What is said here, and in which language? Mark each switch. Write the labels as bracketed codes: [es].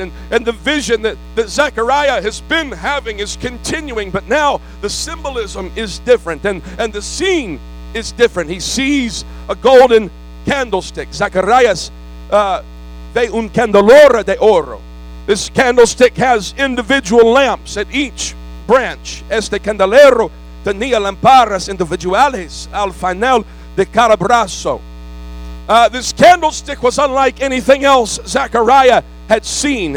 [en] And the vision that Zechariah has been having is continuing, but now the symbolism is different, and the scene is different. He sees a golden candlestick. [es] Zacharias ve un candelora de oro. [en] This candlestick has individual lamps at each branch. [es] Este candelero tenía lamparas individuales al final de cada brazo. [en] This candlestick was unlike anything else Zechariah had seen.